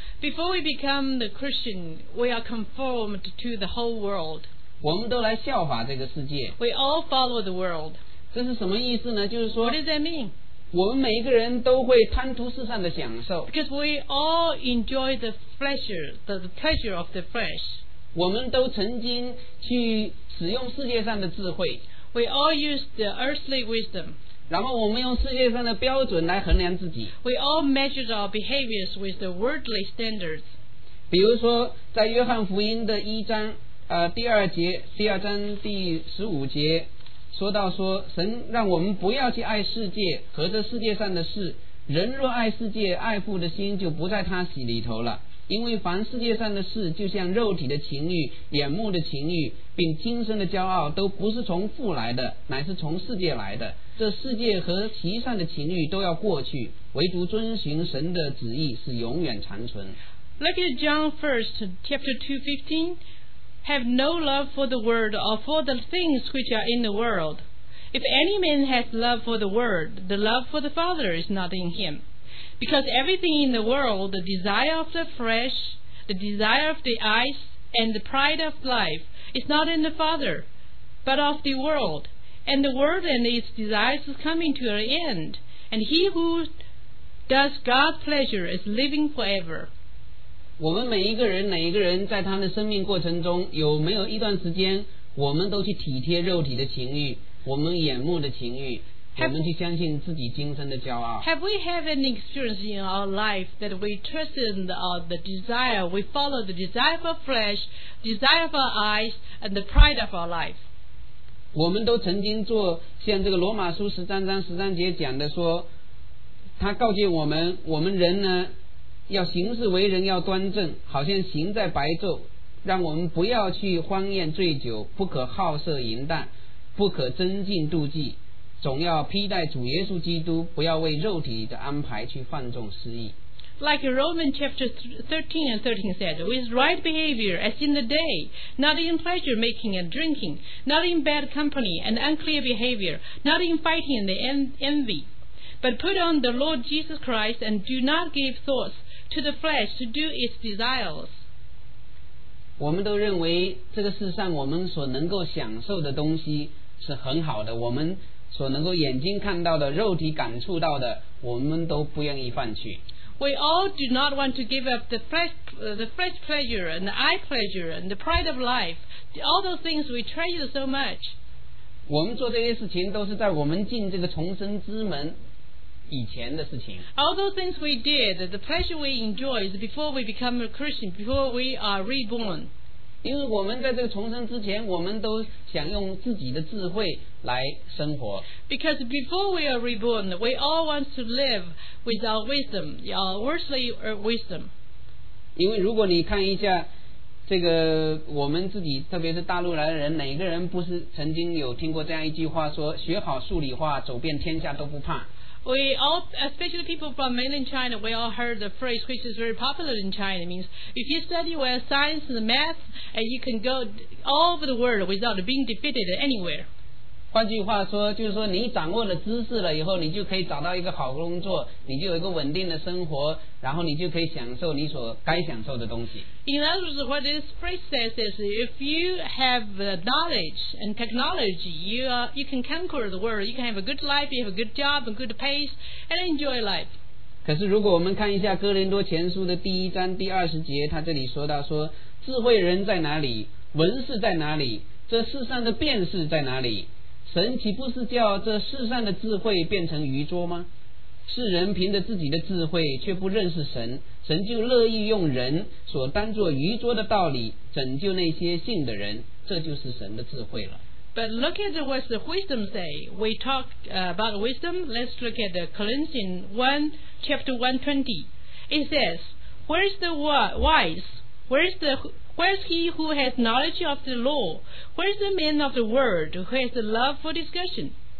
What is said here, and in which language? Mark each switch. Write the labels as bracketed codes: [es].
[en] Before we become the Christian, we are conformed to the whole world. [zh] 我们都来效法这个世界。 [en] We all follow the world. [zh] 这是什么意思呢？就是说 [en] ，What does that mean? [zh] 我们每一个人都会贪图世上的享受。 [en] Because we all enjoy the pleasure of the flesh. [zh] 我们都曾经去使用世界上的智慧。 [en] We all use the earthly wisdom. [zh] 然后我们用世界上的标准来衡量自己。 [en] We all measure our behaviors with the worldly standards. [zh] 比如说，在约翰福音的一章第二节，第二章第十五节，说到说，神让我们不要去爱世界和这世界上的事。人若爱世界，爱父的心就不在他心里头了。因为凡世界上的事，就像肉体的情欲、眼目的情欲，并今生的骄傲，都不是从父来的，乃是从世界来的。这世界和其上的情欲都要过去，唯独遵循神的旨意是永远长存。 [en] Look at John 1st, chapter 2:15. Have no love for the world or for the things which are in the world. If any man has love for the world, the love for the Father is not in him. Because everything in the world, the desire of the flesh, the desire of the eyes, and the pride of life, is not in the Father, but of the world. And the world and its desires is coming to an end. And he who does God's pleasure is living forever. [zh] 我们每一个人，哪一个人在他的生命过程中，有没有一段时间，我们都去体贴肉体的情欲，我们眼目的情欲？我们去相信自己今生的骄傲。 [en] Have we had an experience in our life that we trusted the desire, we follow the desire of our flesh, desire of our eyes, and the pride of our life? [zh] 我们都曾经做像这个罗马书十三章十三节讲的说，他告诫我们，我们人呢，要行事为人要端正，好像行在白昼，让我们不要去欢宴醉酒，不可好色淫荡，不可增进妒忌。总要披戴主耶稣基督，不要为肉体的安排去放纵私意。 [en] like Romans chapter 13 and 13 said, with right behavior as in the day, not in pleasure making and drinking, not in bad company and unclear behavior, not in fighting and envy. But put on the Lord Jesus Christ and do not give thoughts to the flesh to do its desires. [zh] 我们都认为这个世上我们所能够享受的东西是很好的，我们所能够眼睛看到的，肉体感触到的，我们都不愿意放弃。 [en] We all do not want to give up the flesh pleasure and the eye pleasure and the pride of life, all those things we treasure so much. [zh] 我们做这些事情都是在我们进这个重生之门以前的事情。 [en] All those things we did, the pleasure we enjoy is before we become a Christian, before we are reborn. [zh] 因为我们在这个重生之前，我们都想用自己的智慧来生活。 [en] Because before we are reborn, we all want to live with our wisdom, our worldly wisdom. [zh] 因为如果你看一下这个我们自己，特别是大陆来的人，哪个人不是曾经有听过这样一句话说，学好数理化，走遍天下都不怕。 [en] We all, especially people from mainland China, we all heard the phrase which is very popular in China. It means if you study well science and math, and you can go all over the world without being defeated anywhere. [zh] 换句话说，就是说你掌握了知识了以后，你就可以找到一个好工作，你就有一个稳定的生活，然后你就可以享受你所该享受的东西。 [en] In other words, what this phrase says is if you have knowledge and technology, you can conquer the world. You can have a good life, you have a good job, a good pace, and enjoy life. [zh] 可是如果我们看一下哥林多前书的第一章第二十节，他这里说到说，智慧人在哪里？文士在哪里？这世上的辩士在哪里？神岂不是叫这世上的智慧变成愚拙吗？世人凭着自己的智慧却不认识神，神就乐意用人所当作愚拙的道理拯救那些信的人，这就是神的智慧了。 [en] But look at what the wisdom say. We talk about wisdom. Let's look at the Corinthians 1 chapter 120. It says, where is the wise? Where is he who has knowledge of the law? Where is the man of the world who has the love for discussion?